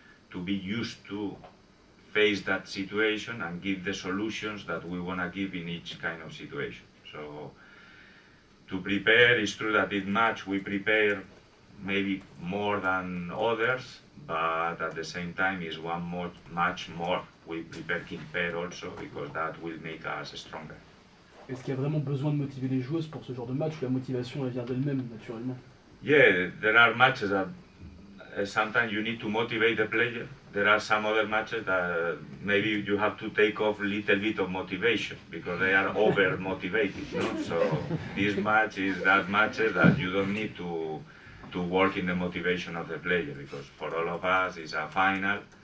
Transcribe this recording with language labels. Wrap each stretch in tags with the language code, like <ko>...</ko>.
<en>To be used to face that situation and give the solutions that we want to give in each kind of situation. So, to prepare, it's true that this match we prepare maybe more than others, but at the same time is one more match more we prepare Kimper also because that will make us stronger.</en> <fr>Est-ce qu'il y a vraiment besoin de motiver les joueuses pour ce genre de match ou la motivation elle vient d'elle-même naturellement?</fr> <en>Yeah, there are matches that sometimes you need to motivate the player. There are some other matches that maybe you have to take off a little bit of motivation because they are over motivated. No? So this match is that match that you don't need to work in the motivation of the player because for all of us it's a final.</en>